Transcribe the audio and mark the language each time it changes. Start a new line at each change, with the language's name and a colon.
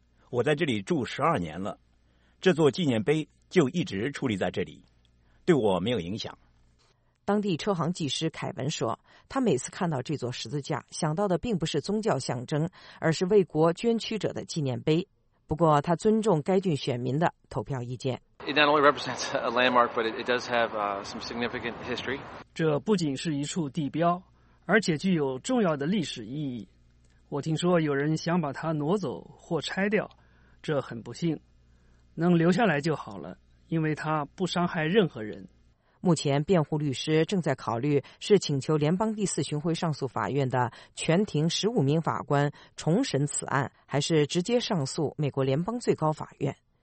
Chinese: 我在这里住12年了，这座纪念碑就一直矗立在这里，对我没有影响。当地车行技师凯文说，他每次看到这座十字架，想到的并不是宗教象征，而是为国捐躯者的纪念碑。不过他尊重该郡选民的投票意见。
English: It not only represents a landmark, but it does have some significant history.
Chinese: 这不仅是一处地标，而且具有重要的历史意义。我听说有人想把它挪走或拆掉，这很不幸。能留下来就好了，因为它不伤害任何人。目前辩护律师正在考虑是请求联邦第四巡回上诉法院的全庭15名法官重审此案，还是直接上诉美国联邦最高法院。